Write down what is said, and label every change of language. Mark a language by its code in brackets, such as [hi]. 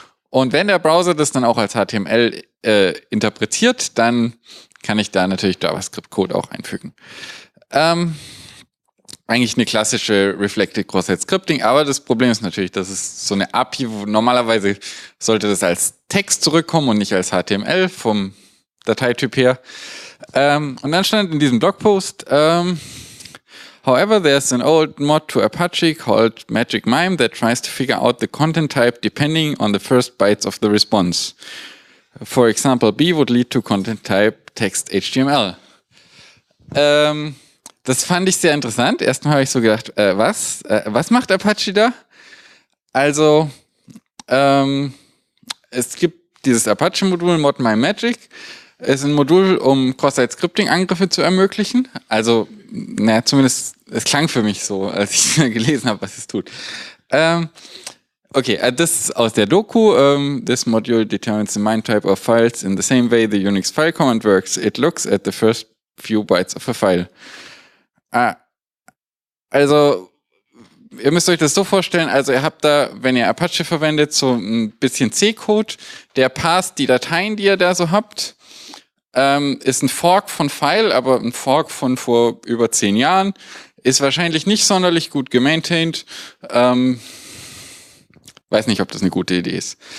[de] Und wenn der Browser das dann auch als HTML interpretiert, dann kann ich da natürlich JavaScript-Code auch einfügen. Eigentlich eine klassische Reflected Cross-Site Scripting, aber das Problem ist natürlich, dass es so eine API, wo normalerweise sollte das als Text zurückkommen und nicht als HTML vom Dateityp her. Und dann stand in diesem Blogpost, [en] however, there's an old mod to Apache called Magic MIME that tries to figure out the content type depending on the first bytes of the response. For example, B would lead to content type text HTML. [de] Das fand ich sehr interessant. Erstmal habe ich so gedacht, was? Was macht Apache da? Also, es gibt dieses Apache-Modul Mod My Magic. Es ist ein Modul, um Cross-Site-Scripting-Angriffe zu ermöglichen. Also, naja, zumindest, es klang für mich so, als ich gelesen habe, was es tut. Okay, das ist aus der Doku. [en] This module determines the MIME type of files in the same way the Unix file command works. It looks at the first few bytes of a file. [de] Also, ihr müsst euch das so vorstellen, also ihr habt da, wenn ihr Apache verwendet, so ein bisschen C-Code, der parst die Dateien, die ihr da so habt, ist ein Fork von File, aber ein Fork von vor über 10 Jahren, ist wahrscheinlich nicht sonderlich gut gemaintained, weiß nicht, ob das eine gute Idee ist.